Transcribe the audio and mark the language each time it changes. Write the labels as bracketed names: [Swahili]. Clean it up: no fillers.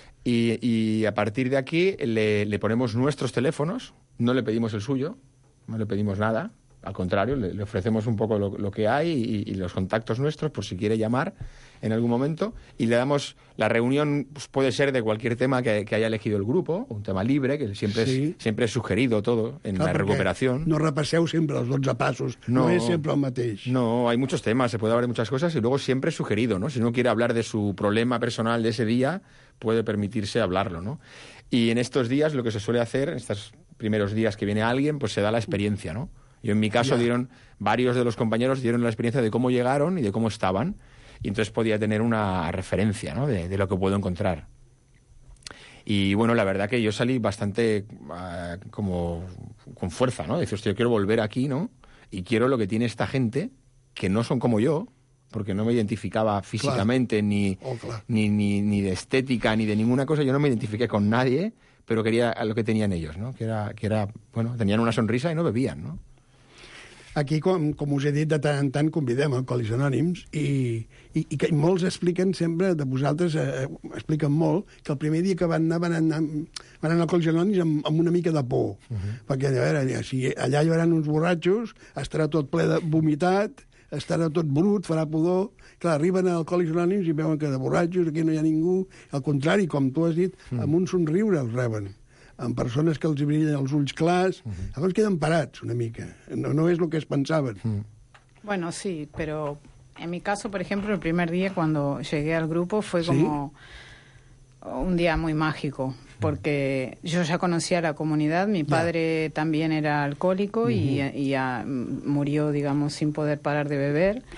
[Spanish] Y a partir de aquí le ponemos nuestros teléfonos, no le pedimos el suyo, no le pedimos nada, al contrario, le ofrecemos un poco lo que hay y los contactos nuestros por si quiere llamar en algún momento, y le damos la reunión, pues puede ser de cualquier tema que haya elegido el grupo, un tema libre, que siempre, sí, siempre es sugerido todo en, [Catalan] clar, [Spanish] la recuperación. [Catalan] No repasseu sempre els 12 passos, no és sempre el mateix. [Spanish] No, hay muchos temas, se puede hablar de muchas cosas, y luego siempre es sugerido, ¿no? Si uno quiere hablar de su problema personal de ese día, puede permitirse hablarlo, ¿no? Y en estos días lo que se suele hacer, en estos primeros días que viene alguien, pues se da la experiencia, ¿no? Yo en mi caso dieron, varios de los compañeros dieron la experiencia de cómo llegaron y de cómo estaban. Y entonces podía tener una referencia, ¿no?, de lo que puedo encontrar. Y bueno, la verdad que yo salí bastante como con fuerza, ¿no? Decir, hostia, yo quiero volver aquí, ¿no? Y quiero lo que tiene esta gente, que no son como yo, porque no me identificaba físicamente, claro, ni de estética, ni de ninguna cosa. Yo no me identifiqué con nadie, pero quería lo que tenían ellos, ¿no? Que era, bueno, tenían una sonrisa y no bebían, ¿no? [Catalan] Aquí, com us he dit, de tant en tant convidem Alcohòlics Anònims i que molts expliquen sempre, de vosaltres expliquen molt, que el primer dia que van anar a Alcohòlics Anònims amb una mica de por. Uh-huh. Perquè, a veure, si allà hi haurà uns borratxos, estarà tot ple de vomitat, estarà tot brut, farà pudor... Clar, arriben a Alcohòlics Anònims i veuen que de borratxos aquí no hi ha ningú. Al contrari, com tu has dit, amb un somriure els reben, amb persones que els brillen els ulls clars, llavors queden parats una mica. No és el que es pensaven. Mm. [Spanish] Bueno, sí, pero en mi caso, por ejemplo, el primer día cuando llegué al grupo fue como un día muy mágico, porque yo ya conocía la comunidad, mi padre también era alcohólico y ya murió, digamos, sin poder parar de beber.